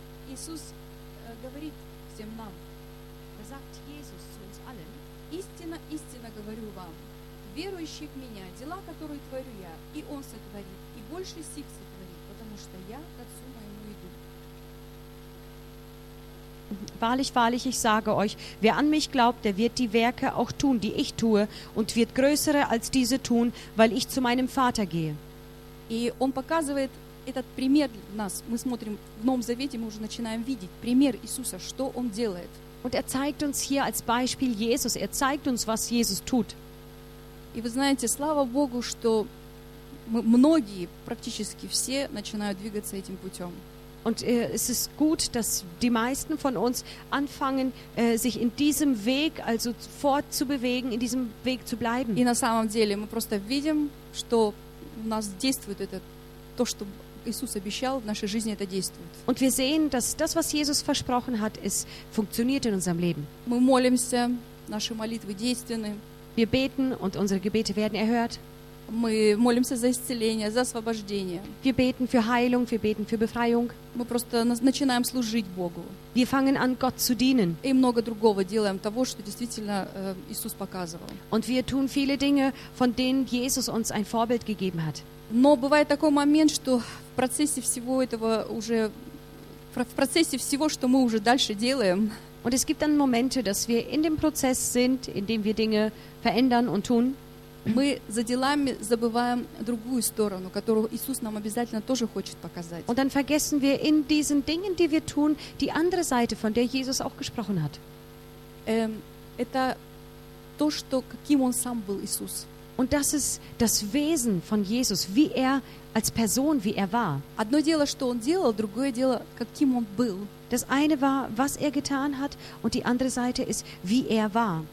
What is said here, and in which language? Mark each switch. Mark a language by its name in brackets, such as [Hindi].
[Russian] Иисус говорит всем нам, [German] sagt Jesus zu uns allen, [Russian] истинно, истинно говорю вам, верующий в меня, дела, которые творю я, и он сотворит, и больше сих сотворит, потому что я к Отцу моему иду. [German] Wahrlich, wahrlich, ich sage euch, wer an mich glaubt, der wird die Werke auch tun, die ich tue, und wird größere als diese tun, weil ich zu meinem Vater gehe. [Russian] И он показывает этот пример для нас. Мы смотрим в Новом Завете, мы уже начинаем видеть пример Иисуса, что он делает. [German] Und zeigt uns hier als Beispiel Jesus. Zeigt uns, was Jesus tut. [Russian] И вы знаете, слава Богу, что многие, практически все, начинают двигаться этим путем. [German] Und es ist gut, dass die meisten von uns anfangen, sich in diesem Weg also fortzubewegen, in diesem Weg zu bleiben. [Russian] И на самом деле мы просто видим, что у нас действует это, то, что Иисус обещал в нашей жизни, это действует. [German] Und wir sehen, dass das, was Jesus versprochen hat, es funktioniert in unserem Leben. [Russian] Мы молимся, наши молитвы действенны. [German] Wir beten und unsere Gebete werden erhört. [Russian] Мы молимся за исцеление, за освобождение. [German] Wir beten für Heilung, wir beten für Befreiung. [Russian] Мы просто начинаем служить Богу. [German] Wir fangen an, Gott zu dienen. [Russian] И много другого делаем того, что действительно Иисус показывал. [German] Und wir tun viele Dinge, von denen Jesus uns ein Vorbild gegeben hat. [Russian] Но бывает такой момент, что в процессе всего этого уже, в процессе всего, что мы уже дальше делаем. [German] Und es gibt dann Momente, dass wir in dem Prozess sind, in dem wir Dinge verändern und tun. [Russian] Мы за делами забываем другую сторону, которую Иисус нам обязательно тоже хочет показать. [German] Und dann vergessen wir in diesen Dingen, die wir tun, die andere Seite, von der Jesus auch gesprochen hat. [Russian] Это то, что каким он сам был Иисус. [German] Und das ist das Wesen von Jesus, wie er als Person, wie er war. [Russian] Одно дело, что он делал, другое дело, каким он был. [German] Das eine war, was er getan hat, und die andere Seite ist, wie er war.